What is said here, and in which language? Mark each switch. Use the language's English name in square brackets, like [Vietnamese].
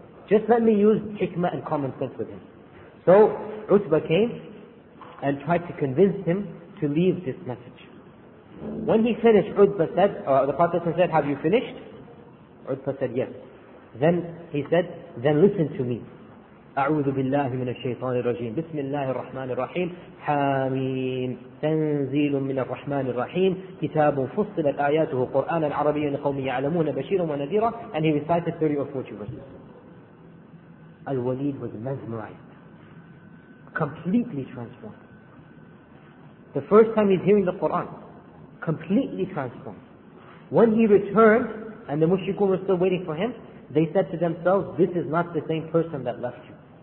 [English] Just let me use hikmah and common sense with him. So Utbah came and tried to convince him to leave this message. When he finished, Utbah said, the Prophet said, have you finished? Utbah said, yes. Then he said, then listen to me. [Arabic] أعوذ بالله من الشيطان الرجيم بسم الله الرحمن الرحيم حاميم تنزيل من الرحمن الرحيم كتاب فصلت آياته قرآنا عربيا لقوم يعلمون بشيرا ونذيرا. [English] And he recited 30 or 40 verses. Al-Walid was mesmerized, completely transformed. The first time he's hearing the Quran, completely transformed. When he returned and the mushrikun were still waiting for him, they said to themselves, this is not the same person that left you.